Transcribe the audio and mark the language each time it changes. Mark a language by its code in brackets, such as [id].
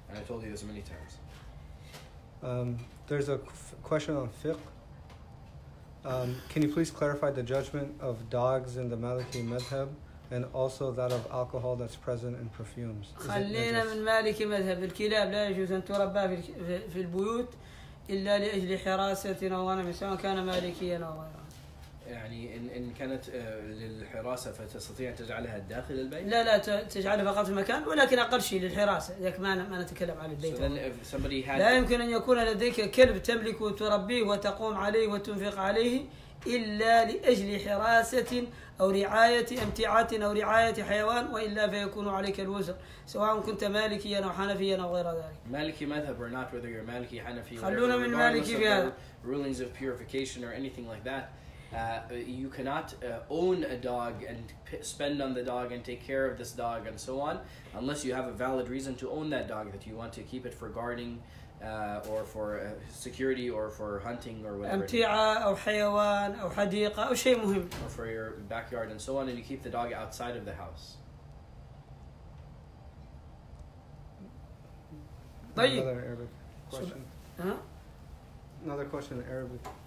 [en] And I told you this many times. There's a question on fiqh. Can you please clarify the judgment of dogs in the Maliki Madhab and also that of alcohol that's present in perfumes? [ar] خلينا من مالكي مذهب الكلاب لا يجوز أن تربى في البيوت إلا لأجل حراسة أو غنم سواء كان مالكيا أو غيره. يعني إن كانت للحراسة فتستطيع أن تجعلها داخل البيت؟ لا لا تجعلها فقط في مكان، ولكن أقل شيء للحراسة إذا ما نتكلم عن البيت. لا يمكن أن يكون لديك كلب تملكه وتربيه وتقوم عليه وتنفق عليه إلا لأجل حراسة أو رعاية أمتعة أو رعاية حيوان، وإلا فيكون عليك الوزر سواء كنت مالكيا أو حنفيا أو غير ذلك. مالكي مذهب [en] or not, whether you're [ar] مالكي حنفي. خلونا من مالكي في هذا. [en] Rulings of purification or anything like that. You cannot own a dog and spend on the dog and take care of this dog and so on unless you have a valid reason to own that dog, that you want to keep it for guarding or for security or for hunting or whatever. [ar] أمتعة أو حيوان أو حديقة أو شيء مهم. [en] Or for your backyard and so on, and you keep the dog outside of the house. Another Arabic question. Another question in Arabic.